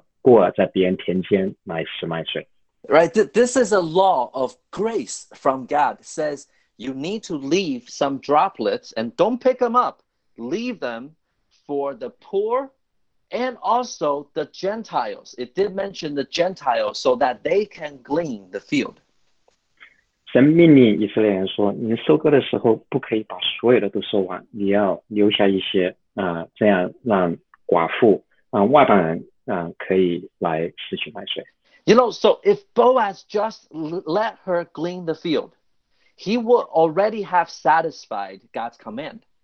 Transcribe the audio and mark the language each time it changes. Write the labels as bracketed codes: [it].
[zh] 在圣经里面，神有律法是允许寡妇、允许那个孤儿在别人田间来拾麦穗。 [en] Right, this is a law of grace from God. It says you need to leave some droplets and don't pick them up. Leave them for the poor and also the Gentiles. It did mention the Gentiles so that they can glean the field. [zh] 神命令以色列人说，你收割的时候不可以把所有的都收完，你要留下一些，这样让寡妇、外邦人，可以来拾取麦穗。 [en] You know, so if Boaz just let her glean the field, he would already have satisfied God's command.